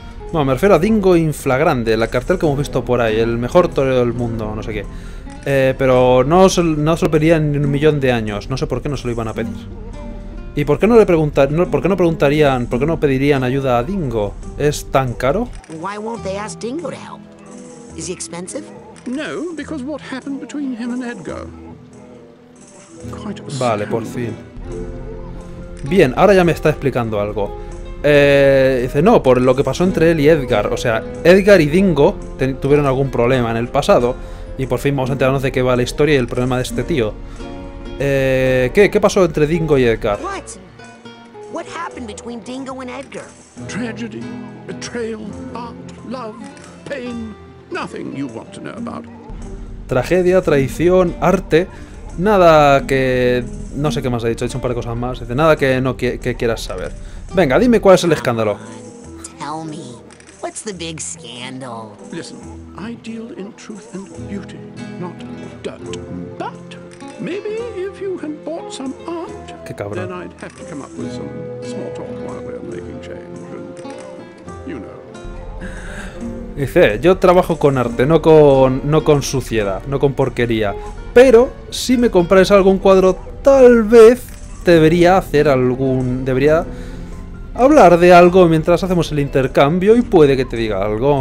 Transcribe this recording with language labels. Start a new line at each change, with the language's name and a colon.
Spanish: Bueno, me refiero a Dingo Inflagrande, la cartel que hemos visto por ahí, el mejor torero del mundo, no sé qué. Pero no se lo pedirían en un millón de años, no sé por qué no se lo iban a pedir. ¿Y por qué no le preguntarían, no, por qué no preguntarían, por qué no pedirían ayuda a Dingo? ¿Es tan caro?
English: Why won't they ask Dingo to help? Is he expensive? No, because what happened between him and Edgar?
Spanish: Vale, por fin. Bien, ahora ya me está explicando algo. Dice, no, por lo que pasó entre él y Edgar. O sea, Edgar y Dingo tuvieron algún problema en el pasado. Y por fin vamos a enterarnos de qué va la historia y el problema de este tío. ¿Qué pasó entre Dingo y Edgar?
English: What happened between Dingo and Edgar? Tragedy, betrayal, art, love, pain, nothing you want to know about.
Spanish: Tragedia, traición, arte, nada que... No sé qué más he dicho un par de cosas más. Dice, nada que no que quieras saber. Venga, dime cuál es el escándalo.
English: Tell me, what's the big scandal? Listen, I deal in truth and beauty, not dirt. But maybe if you had bought some art,
Spanish: qué cabrón,
English: then I'd have to come up with some small talk while we're making change. And, you know.
Spanish: Dice, yo trabajo con arte, no con suciedad, no con porquería. Pero si me compras algún cuadro, tal vez debería hacer algún... Debería hablar de algo mientras hacemos el intercambio y puede que te diga algo.